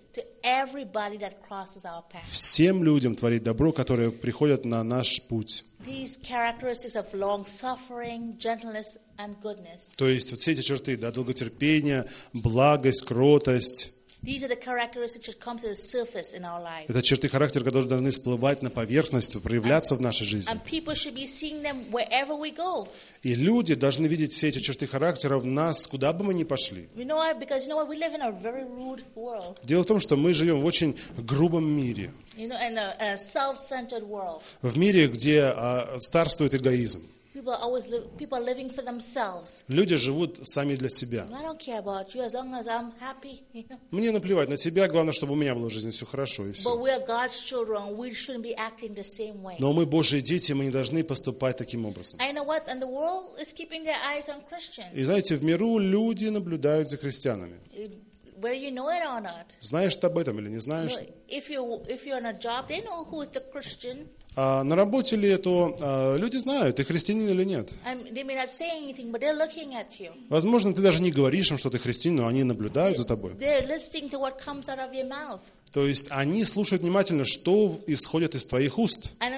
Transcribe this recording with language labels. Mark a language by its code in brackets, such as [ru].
[en] To everybody that crosses our path. [ru] Всем людям творить добро, которые приходят на наш путь. [en] These characteristics of long suffering, gentleness, and goodness. [ru] То есть вот все эти черты, да, долготерпение, благость, кротость. [en] These are the characteristics that should come to the surface in our life. [ru] Это черты характера, которые должны всплывать на поверхность, проявляться в нашей жизни. [en] And people should be seeing them wherever we go. [ru] И люди должны видеть все эти черты характера в нас, куда бы мы ни пошли. [en] You know why? Because you know what? We live in a very rude world. [ru] Дело в том, что мы живем в очень грубом мире. [en] You know, in a self-centered world. [ru] В мире, где царствует эгоизм. [en] People are always people are living for themselves. [ru] Люди живут сами для себя. [en] I don't care about you as long as I'm happy. [ru] Мне наплевать на тебя, главное, чтобы у меня было в жизни все хорошо и все. [en] But we are God's children. We shouldn't be acting the same way. [ru] Но мы Божьи дети, мы не должны поступать таким образом. [en] I know what, and the world is keeping their eyes on Christians. [ru] И знаете, в миру люди наблюдают за христианами. [en] Whether you know it or not. [ru] Знаешь ты об этом или не знаешь? [en] You know, if you're on a job, they know who is the Christian. [ru] На работе ли, то люди знают, ты христианин или нет. [en] Anything, [ru] возможно, ты даже не говоришь им, что ты христианин, но они наблюдают за тобой. [en] To [ru] то есть они слушают внимательно, что исходит из твоих уст.